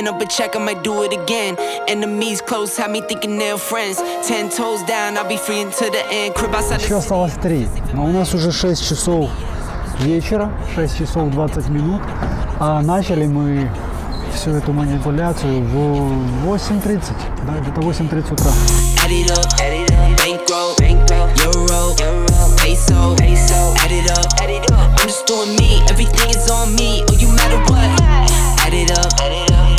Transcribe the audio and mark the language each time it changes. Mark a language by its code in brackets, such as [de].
[en] Check, I might do it again. Enemies close, have me thinking they're friends. 10 toes down, I'll be free until the end. Crib outside the city. [ru] Еще осталось 3, но у нас уже 6 часов вечера, 6 часов 20 минут. А начали мы всю эту манипуляцию в 8.30, да, где-то 8.30 утра. [en] Add it up, bankroll, euro, peso, add it up, I'm just doing me, everything is on me. Oh, you matter what, add it up, add it up.